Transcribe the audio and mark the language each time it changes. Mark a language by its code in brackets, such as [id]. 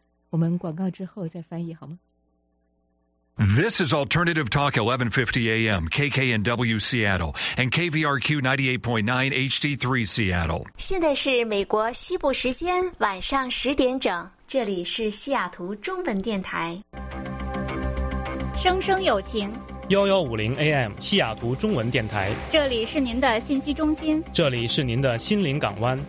[zh] 我们广告之后再翻译好吗？ [en] This is Alternative Talk 1150 AM, KKNW Seattle, and KVRQ 98.9 HD3 Seattle. [zh] 现在是美国西部时间晚上10点整，这里是西雅图中文电台。声声有情。 1150 AM, 西雅图中文电台。这里是您的信息中心。这里是您的心灵港湾。